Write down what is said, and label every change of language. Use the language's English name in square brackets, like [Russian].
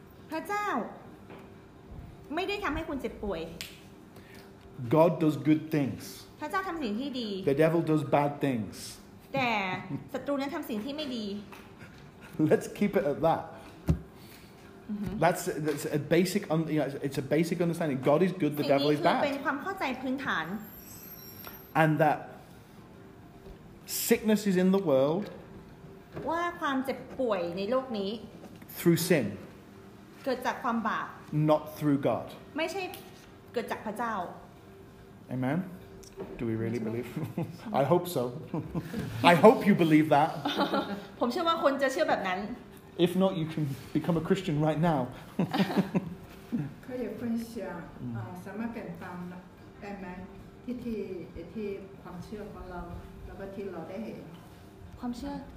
[Thai] พระเจ้าไม่ได้ทำให้คุณเจ็บป่วย. [English] God does good things. [Thai] พระเจ้าทำสิ่งที่ดี. [English] The devil does bad things. [Thai] แต่ศัตรูนั้นทำสิ่งที่ไม่ดี. [English] Let's keep it at that. That's a basic it's a basic understanding. God is good, the devil is bad. [Thai] เป็นความเข้าใจพื้นฐาน. [English] And that sickness is in the world. [Thai] ว่าความเจ็บป่วยในโลกนี้ [English] through sin [Thai] เกิดจากความบาป [English] not through God [Thai] ไม่ใช่เกิดจากพระเจ้า [English] Amen Do we really believe I hope so I hope you believe that [Thai] ผมเชื่อว่าคนจะเชื่อแบบนั้น [English] If not you can become a Christian right now [Thai] ก็อย่าเพิ่งเชื่อสามารถเปลี่ยนตาม Amen ที่ความเชื่อของเราแล้วก็ที่เราได้เห็นความเชื่อ